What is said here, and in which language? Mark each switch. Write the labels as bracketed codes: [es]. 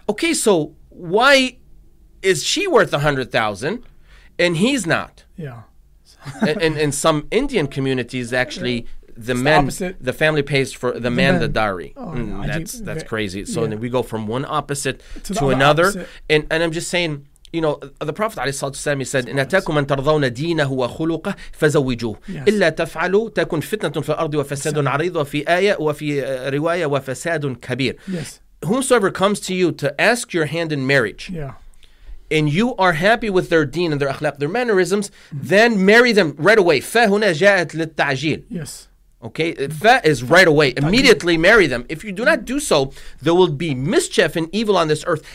[en] Okay, so why is she worth $100,000 and he's not? Yeah. in some Indian communities, actually, the family pays for the man the dowry. Oh, that's crazy. So then we go from one opposite to another. Opposite. And I'm just saying, you know, the Prophet [ar] عليه الصلاة والسلام said, إن أتاكم من ترضون دينه وخلقه فزوجوه إلا تفعلوا تكون فتنة في الأرض وفساد عريض وفي آية وفي رواية وفساد كبير. [en] Whomsoever comes to you to ask your hand in marriage, and you are happy with their deen and their akhlaq, their mannerisms, then marry them right away. [ar] فَا هُنَا جَاءَتْ لِلتَّعْجِيلِ. [en] Yes. Okay, fa is right away. Immediately marry them. If you do not do so, there will be mischief and evil on this earth.